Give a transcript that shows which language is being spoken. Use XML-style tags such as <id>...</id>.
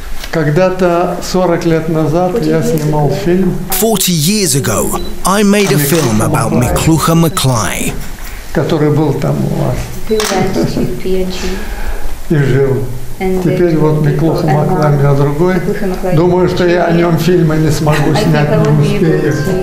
<ru>Когда-то 40 лет назад я снимал фильм.</ru> <en>40 years ago, I made a film about Miklouho-Maclay.</en> <ru>Который был там у вас. И жил. Теперь вот Миклухо-Маклай у меня другой. Думаю, что я о нем фильма не смогу снять, не успею.</ru>